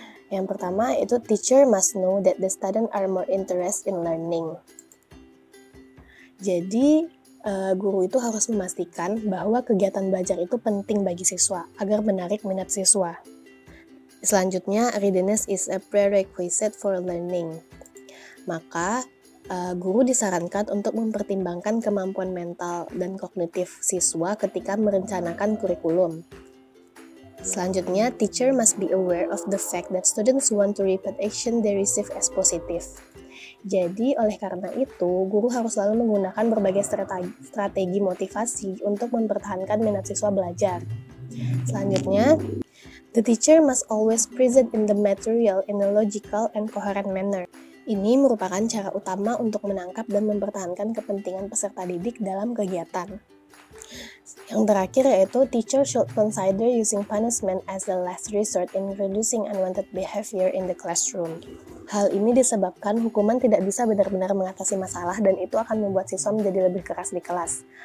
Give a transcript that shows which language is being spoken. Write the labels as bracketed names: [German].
[Indonesian] Yang pertama itu [English] teacher must know that the student are more interested in learning. [Indonesian] Jadi guru itu harus memastikan bahwa kegiatan belajar itu penting bagi siswa agar menarik minat siswa. Selanjutnya, [English] readiness is a prerequisite for learning. [Indonesian] Maka, guru disarankan untuk mempertimbangkan kemampuan mental dan kognitif siswa ketika merencanakan kurikulum. Selanjutnya, [English] teacher must be aware of the fact that students want to repeat action they receive as positive. [Indonesian] Jadi, oleh karena itu, guru harus selalu menggunakan berbagai strategi motivasi untuk mempertahankan minat siswa belajar. Selanjutnya, [English] the teacher must always present in the material in a logical and coherent manner. [Indonesian] Ini merupakan cara utama untuk menangkap dan mempertahankan kepentingan peserta didik dalam kegiatan. Yang terakhir yaitu, [English] teacher should consider using punishment as the last resort in reducing unwanted behavior in the classroom. [Indonesian] Hal ini disebabkan hukuman tidak bisa benar-benar mengatasi masalah dan itu akan membuat siswa menjadi lebih keras di kelas.